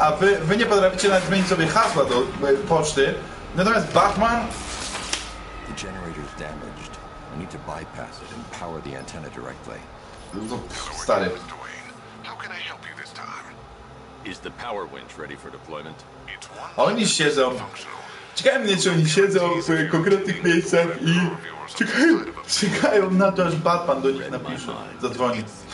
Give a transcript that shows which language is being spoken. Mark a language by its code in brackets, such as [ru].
[pl] A wy nie potraficie nawet zmienić sobie hasła do poczty. Natomiast Batman... [en] The generator's damaged. I need to bypass it and power the antenna directly. [pl] Stary. [en] How can I help you this time? Is the power winch ready for deployment? [pl] Oni siedzą. Czekają mnie, czy oni siedzą w konkretnych miejscach i czekają na to, aż Batman do nich napisze, zadzwoni.